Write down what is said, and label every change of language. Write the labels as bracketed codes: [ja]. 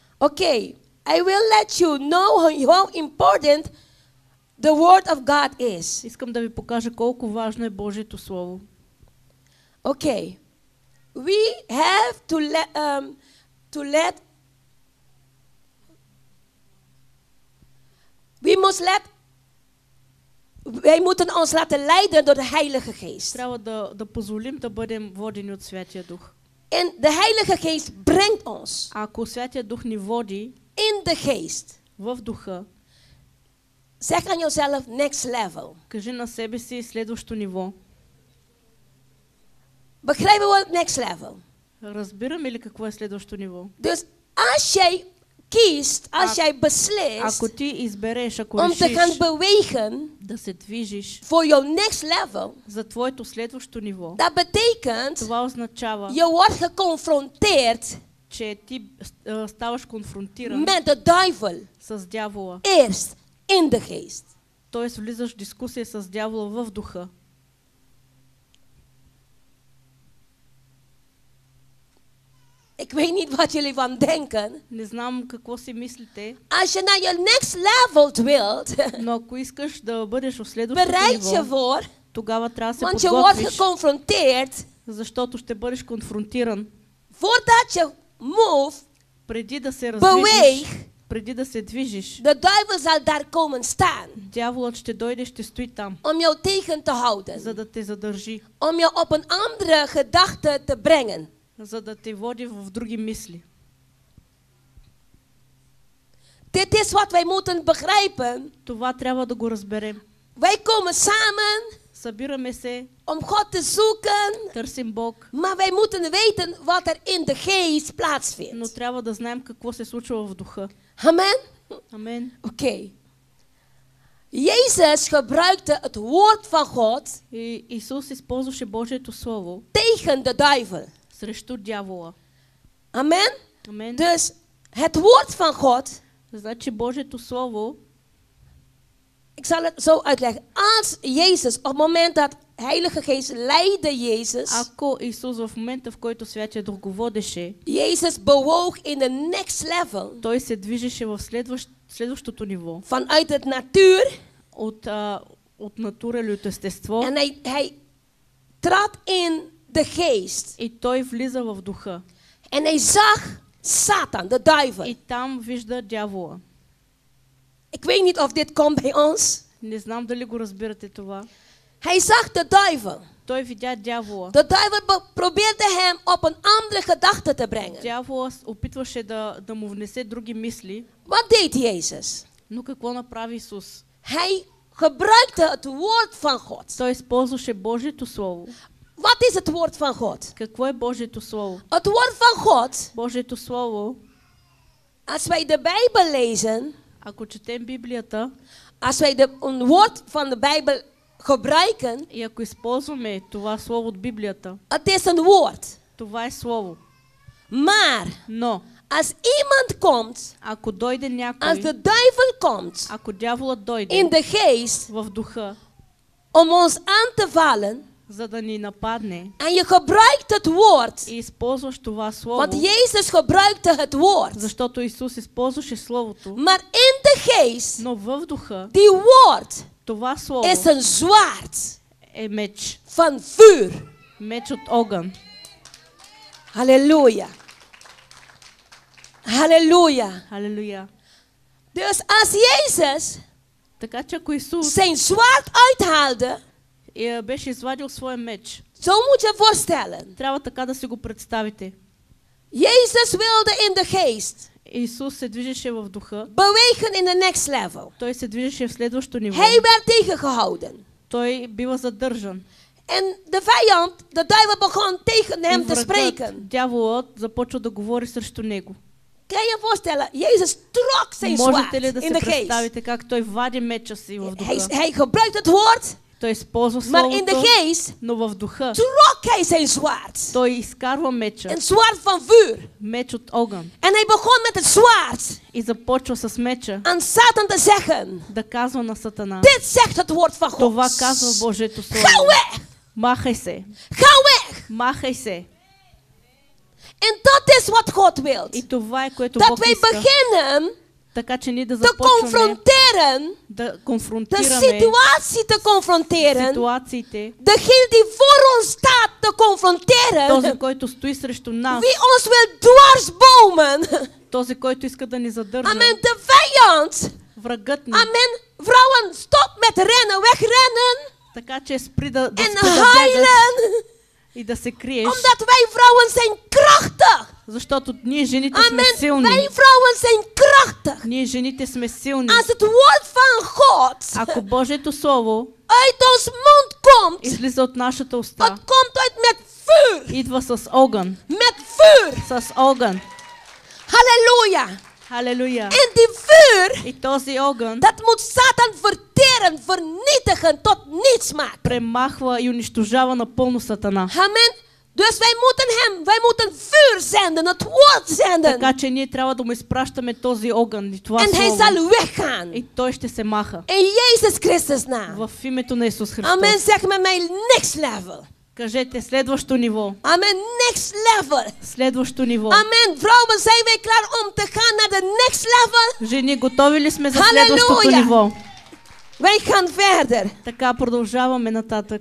[en] Okay, I will let you know how important the word of God is. [bg] Искам да ви покажа колко важно е Божието слово. [en] Okay. We have to let [nl] Wij moeten ons laten leiden door de Heilige Geest. [bg] Трябва да позволим да бъдем водени от Святия Дух. [nl] En de Heilige Geest brengt ons. [bg] Ако Святия Дух ни води. [nl] In the Geest. [bg] В духа. [nl] Zeg aan jezelf next level. [bg] Кажи на себе си следващо ниво. [nl] Begrijp je wat next level? [bg] Разбираме ли какво е следващо ниво? [nl] Dus als jij kiest, als jij beslist, [bg] ако ти избереш, ако [nl] om te gaan bewegen, [bg] да се движиш, [en] for your next level, [bg] за твоето следващо ниво, [en] that [nl] betekent, [bg] това означава, [nl] je wordt geconfronteerd, [bg] че ти ставаш конфронтиран, [nl] met [en] the devil, [bg] с дявола, [nl] eerst in the geest. [bg] Тоест влизаш в дискусия с дявола в духа. [nl] Ik weet niet wat jullie van denken. [bg] Не знам какво си мислите. [nl] Als je naar [en] your next level [nl] wilt. [bg] Но ако искаш да бъдеш в следващото ниво. [nl] Voor, [bg] тогава трябва да се [nl] want [bg] подготвиш. [nl] Want [en] you are confronted. [bg] Защото ще бъдеш конфронтиран. [en] For that you move. [bg] Преди да се развиеш. [nl] Beweeg. [bg] Преди да се движиш. [en] The devil [nl] zal daar komen staan. [bg] Дяволът ще дойде, ще стои там. [nl] Om jou tegen te houden. [bg] За да те задържи. [nl] Om jou op een andere gedachte te brengen. [bg] За да те води в други мисли. [nl] is wat wij moeten begrijpen. [bg] Това трябва да го разберем. [nl] Wij komen samen. [bg] Събираме се. [nl] Om God te zoeken. [bg] Търсим Бог. [nl] Maar wij moeten weten wat er in de geest plaatsvindt. [bg] Но трябва да знаем какво се случва в духа. [nl] Amen. [bg] Amen. [nl] Oké. Jezus gebruikte het woord van God. [bg] Исус използваше Божието слово. [nl] Tegen de duivel. [bg] Срещу дявола. [nl] Amen. [bg] Amen. [nl] Dus het woord van God. [bg] Значи Божието слово. [nl] Ik zal het zo uitleggen. Als Jezus op het moment dat Heilige Geest leidde Jezus. [bg] Ако Исус в момента, в който Святия Дух го водеше. [nl] Jezus bewoog in the next level. [bg] Той се движеше в следващото ниво. [nl] Vanuit het natuur. [bg] От натура или от естество. [nl] En hij trad in de geest. [bg] И той влиза в духа. [nl] En hij zag Satan, de duivel. [bg] И там вижда дявола. [nl] Ik weet niet of dit komt bij ons. [bg] Не знам дали го разбирате това. [nl] Hij zag de duivel. [bg] Той видя дявола. [nl] De duivel probeerde hem op een andere gedachte te brengen. [bg] Дяволът опитваше да му внесе други мисли. [nl] Wat deed Jezus? [bg] Но какво направи Исус? [nl] Hij gebruikte het woord van God. [bg] Той използваше Божието слово. [nl] Wat is het woord van God? [bg] Какво е Божието слово? [nl] Het woord van God. [bg] Божието слово. [nl] Als wij de Bijbel lezen. [bg] Ако четем Библията. [nl] Als wij een woord van de Bijbel gebruiken. [bg] И ако използваме това слово от Библията. [nl] Het is een woord. [bg] Това е слово. [nl] Maar. [bg] Но. [nl] Als iemand komt, [bg] ако дойде някой, [nl] als de duivel komt, [bg] ако дяволът дойде, [nl] in de geest, [bg] в духа, [nl] om ons aan te vallen, [bg] за да ни нападне, [nl] en je gebruikt het woord, [bg] и използваш това слово, [nl] want Jezus gebruikte het woord, [bg] защото Исус използваше словото, [nl] maar in de geest, [bg] но в духа, [nl] die woord, [bg] това слово, [nl] is een zwaard, [bg] е меч, [nl] van vuur, [bg] меч от огън. [nl] Halleluja! Halleluja. [bg] Halleluja. [nl] Dus als Jezus [bg] така, че ако Исус [nl] zijn zwaard uithaalde, [bg] беше извадил своя меч. [nl] Zo moet je voorstellen. [bg] Трябва така да си го представите. [nl] Jezus wilde in de geest. [bg] Исус се движеше в духа. [nl] Bewegen in the next level. [bg] Той се движеше в следващото ниво. [nl] Hij werd tegengehouden. [bg] Той бива задържан. [nl] En de vijand, de duivel begon tegen hem te spreken. [bg] Дяволът започва да говори срещу него. [nl] Kan je voorstellen? Jezus trok zijn zwaard in de geest. [bg] Представите как той вади меча си в духа. [nl] Hij gebruikt het woord. [bg] Той използва словото. [nl] Maar in de geest. [bg] Но в духа. [nl] Trok hij zijn zwaard. [bg] Той изкарва меча. [nl] Een zwaard van vuur. [bg] Меч от огън. [nl] En hij begon met het zwaard. [bg] И започва с меча. [nl] Aan Satan te zeggen. [bg] Да казва на Сатана. [nl] Dit zegt het woord van God. [bg] Това казва Божието слово. Махай се. [nl] Ga weg. [bg] Махай се. [nl] En dat is wat God wil. Dat [bg] Бог [nl] wij beginnen [bg] така, че ние да [nl] confronteren de situatie te confronteren, degene die voor ons staat te confronteren, [bg] този, който стои срещу нас, [nl] wie ons wil dwarsbomen, [bg] този, който иска да ни задържа, [nl] amen, de vijand, [bg] врагът ни, [nl] amen, vrouwen, stop met rennen, wegrennen, [bg] така, че спри да, [nl] en huilen, [bg] и да се криеш. [nl] Omdat wij vrouwen zijn krachtig. [bg] Защото ние жените сме силни. [nl] Amen. Wij vrouwen zijn krachtig. [bg] Ние жените сме силни. [nl] As het woord van God. [bg] Ако Божието слово. [nl] Uit ons mond komt. [bg] Излиза от нашата уста. [nl] Het komt uit met vuur. [bg] Идва с огън. [nl] Met vuur. [bg] С огън. [nl] Halleluja. [bg] Halleluja. [nl] En die vuur. [bg] И този огън. [nl] Dat moet Satan verteren, vernietigen tot niets maken. [bg] Премахва и унищожава напълно Сатана. [nl] Amen. Dus wij moeten hem, wij moeten vuur zenden, het woord zenden. [bg] Така че ние трябва да му изпращаме този огън и това слово. [nl] Hij zal weggaan. [bg] И той ще се маха. [nl] In Jesus Christus name. [bg] В името на Исус Христос. [nl] Amen. Zeggen met mij next level. [bg] Кажете следващо ниво. [nl] Amen. Next level. [bg] Следващо ниво. [nl] Amen. Vrouwen, zijn wij klaar om te gaan naar the next level? [bg] Жени, готови ли сме за следващото ниво? [nl] Wij gaan verder. [bg] Така продължаваме нататък.